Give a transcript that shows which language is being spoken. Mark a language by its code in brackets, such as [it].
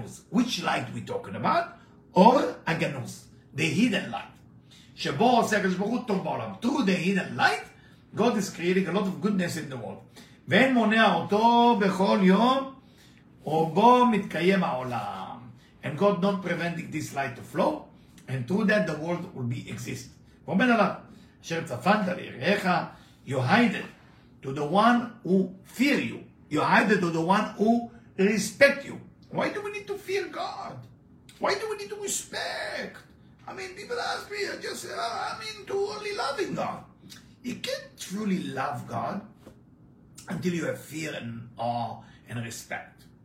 [en] Which light are we talking about? Or Aganus, the hidden light. Through the hidden light, God is creating a lot of goodness in the world. [he] ואין מונע אותו בכל יום ובו מתקיים העולם. [en] And God not preventing this light to flow, and through that the world will be exist. [he] ואומר עליו, אשר צפנת לירעך, [en] you hide it to the one who fear you. You hide it to the one who respect you. Why do we need to fear God? Why do we need to respect? I mean, people ask me, I just say, I'm into only loving God. You can't truly love God until you have fear and awe and respect.